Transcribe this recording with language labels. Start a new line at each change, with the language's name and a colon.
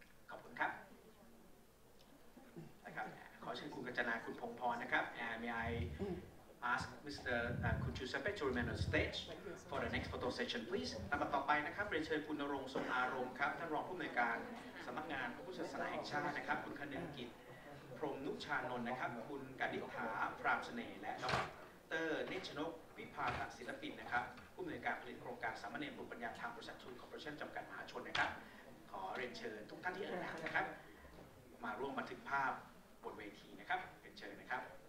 Thai: ขอบคุณครับนะครับขอเชิญคุณกัญจนาคุณพงพรนะครับ and may I ask Mr.
English: Giuseppe to remain on stage for the next photo session, please.
Thai: ลำดับต่อไปนะครับเรียนเชิญคุณณรงค์ทรงอารมณ์ครับท่านรองผู้อำนวยการสำนักงานพระพุทธศาสนาแห่งชาตินะครับคุณคนึงกิจ รมนุชานนท์นะครับคุณกนิษฐาพรามเสน่ห์และดร. นิชนกวิภาคศิลปินนะครับผู้อำนวยการผลิตโครงการสามเณรบุญปัญญาทางบริษัททูนคอร์ปอเรชั่นจำกัดมหาชนนะครับขอเรียนเชิญทุกท่านที่เอ่ยนามนะครับมาร่วมบันทึกภาพบนเวทีนะครับเรียนเชิญนะครับ